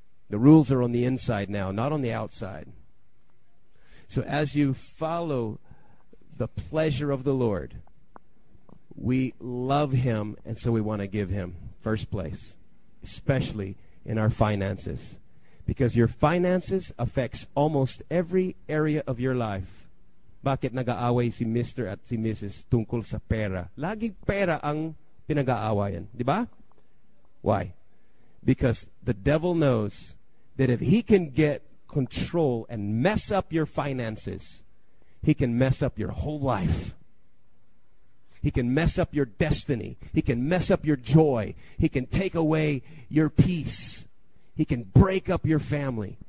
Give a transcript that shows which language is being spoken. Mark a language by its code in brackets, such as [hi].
[en] The rules are on the inside now, not on the outside. So as you follow the pleasure of the Lord, we love Him, and so we want to give Him first place, especially in our finances. Because your finances affects almost every area of your life. [tl] Bakit nag-aaway si Mr. at si Mrs. tungkol sa pera? Laging pera ang pinag-aawayan, di ba? [en] Why? Because the devil knows that if he can get control and mess up your finances, he can mess up your whole life. He can mess up your destiny. He can mess up your joy. He can take away your peace. He can break up your family.